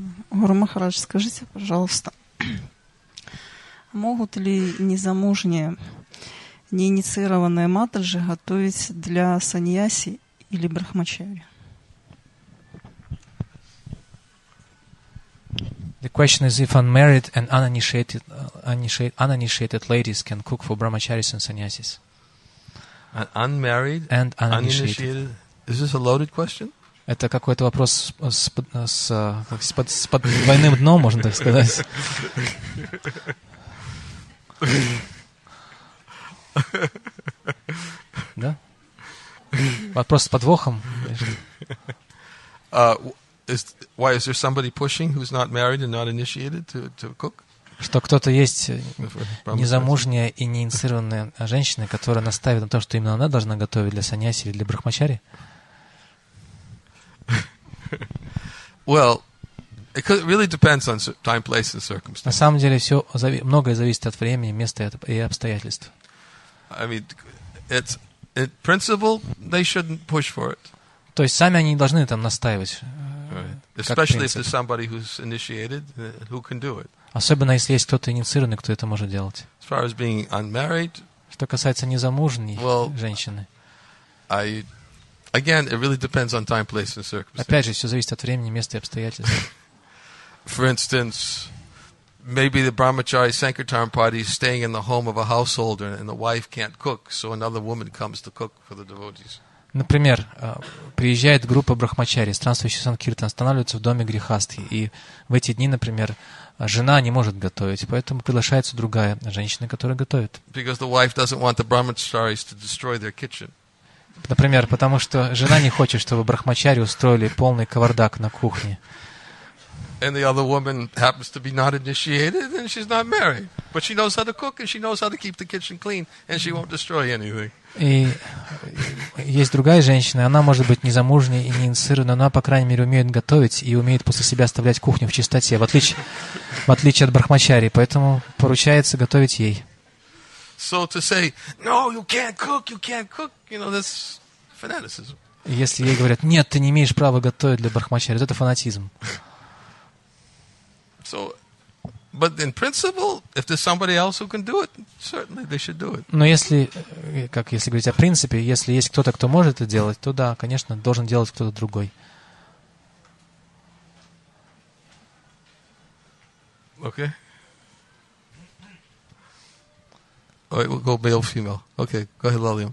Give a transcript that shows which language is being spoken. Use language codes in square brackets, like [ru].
[ru] Гуру Махарадж, скажите, пожалуйста, могут ли незамужние, неинициированные матаджи готовить для саньяси или брахмачари? [en] The question is if unmarried and uninitiated ladies can cook for brahmacharis and sannyasis. Unmarried and uninitiated. Is this a loaded question? [ru] Это какой-то вопрос с двойным дном, можно так сказать. Да? Вопрос с подвохом. [en] Why is there somebody pushing who's not married and not initiated to cook? [ru] Что кто-то есть незамужняя и неинициированная женщина, которая настаивает на то, что именно она должна готовить для саньяси или для брахмачари? [en] Well, it really depends on time, place and circumstances. [ru] На самом деле все многое зависит от времени, места и обстоятельств. [en] I mean, it's in principle they shouldn't push for it. [ru] То есть сами они не должны там настаивать. [en] Especially if there's somebody who's initiated, who can do it. [ru] Особенно если есть кто-то инициированный, кто это может делать. [en] As far as being unmarried, [ru] что касается незамужней женщины, [en] again, it really depends on time, place, and circumstances. [ru] Опять же, все зависит от времени, места и обстоятельств. [en] For instance, maybe the brahmachari sankirtan party is staying in the home of a householder, and the wife can't cook, so another woman comes to cook for the devotees. [ru] Например, приезжает группа брахмачари, странствующий санкиртан, останавливается в доме грехастхи, и в эти дни, например, жена не может готовить, поэтому приглашается другая женщина, которая готовит. [en] Because the wife doesn't want the brahmacharis to destroy their kitchen. [ru] Например, потому что жена не хочет, чтобы брахмачари устроили полный кавардак на кухне. [en] And the other woman happens to be not initiated, and she's not married, but she knows how to cook and she knows how to keep the kitchen clean, and she won't destroy anything. [ru] И есть другая женщина, она может быть незамужней и неинициированной, но она, по крайней мере, умеет готовить и умеет после себя оставлять кухню в чистоте, в отличие от брахмачари, поэтому поручается готовить ей. [en] So to say, no, you can't cook, you know, that's fanaticism. [ru] Если ей говорят, нет, ты не имеешь права готовить для брахмачари, это фанатизм. [en] So But in principle, if there's somebody else who can do it, certainly they should do it. [ru] Но если, как если говорить о принципе, если есть кто-то, кто может это делать, то да, конечно, должен делать кто-то другой. [en] Okay. All right, we'll go male, female. Okay, go ahead, Lalia.